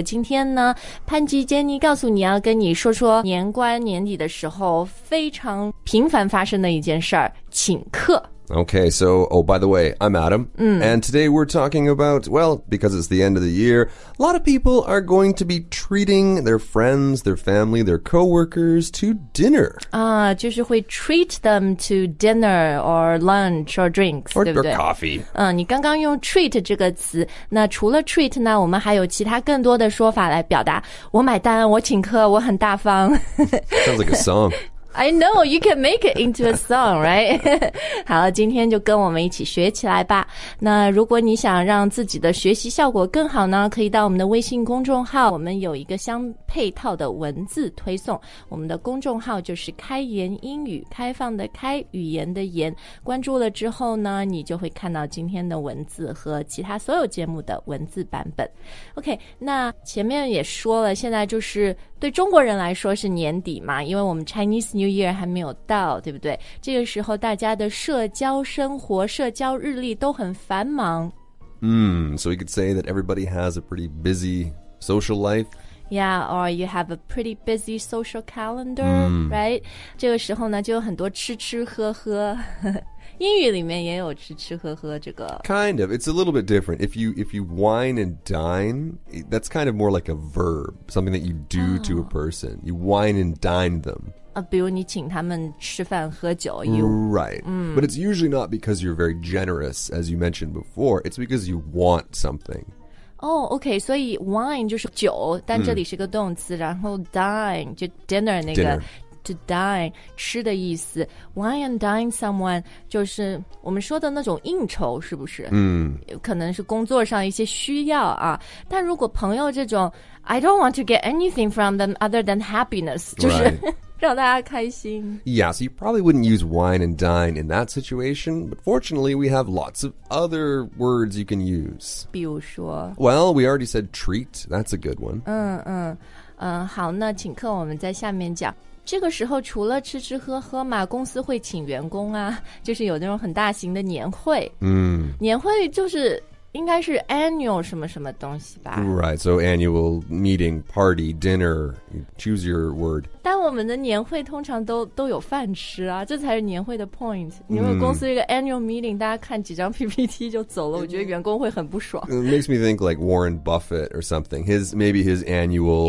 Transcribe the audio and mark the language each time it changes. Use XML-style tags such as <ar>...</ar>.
<zh>今天呢，潘吉 Jenny 告诉你要跟你说说年关年底的时候非常频繁发生的一件事儿，请客。</zh> <en>Okay, so, oh, by the way, I'm Adam,and today we're talking about, well, because it's the end of the year, a lot of people are going to be treating their friends, their family, their co-workers to dinner.</en> <zh>就是会</zh> <en>treat them to dinner or lunch or drinks, or,</en> <zh>对不对</zh> <en>or coffee.</en> <zh>你刚刚用 treat 这个词，那除了 treat 呢，我们还有其他更多的说法来表达，我买单，我请客，我很大方。</zh> <en>Sounds like a song. I know, you can make it into a song, right?</en> <zh>好，今天就跟我们一起学起来吧。那如果你想让自己的学习效果更好呢，可以到我们的微信公众号，我们有一个相配套的文字推送。我们的公众号就是开言英语，开放的开，语言的言。关注了之后呢，你就会看到今天的文字和其他所有节目的文字版本。 OK, 那前面也说了，现在就是对中国人来说是年底嘛，因为我们 ChineseNew Year 还没有到，对不对？这个时候大家的社交生活、社交日历都很繁忙。</zh> <en>So we could say that everybody has a pretty busy social life. Yeah, or you have a pretty busy social calendar, right?</en> <zh>这个时候呢，就有很多吃吃喝喝。英语里面也有吃吃喝喝这个。</zh> <en>Kind of, it's a little bit different. If you wine and dine, that's kind of more like a verb, something that you do to a person. You wine and dine them.</en> <zh>比如你请他们吃饭喝酒</zh> <en>Right, but it's usually not because you're very generous, as you mentioned before. It's because you want something. Oh, okay,</en> <zh>所以 wine 就是酒，但这里是个动词，然后 dine, 就 dinner 那个</zh> <en>dinner.</en> <zh>To dine, 吃的意思。Wine and dine someone, 就是我们说的那种应酬，是不是？可能是工作上一些需要啊。但如果朋友这种</zh> <en>I don't want to get anything from them other than happiness, 就是、 right.</en> <zh>让大家开心</zh> <en>Yeah, so you probably wouldn't use wine and dine in that situation, but fortunately we have lots of other words you can use.</en> <zh>比如说</zh> <en>Well, we already said treat, that's a good one.</en> <zh>好那请客我们在下面讲这个时候除了吃吃喝喝嘛公司会请员工啊就是有那种很大型的年会、年会就是应该是 annual 什么什么东西吧 Right, so annual meeting, party, dinner, choose your word. 但我们的年会通常都有饭吃啊这才是年会的 point. 因为公司一个 annual meeting, 大家看几张 PPT 就走了我觉得员工会很不爽。</zh> <en>It makes me think like Warren Buffett or something, maybe his annual...</en>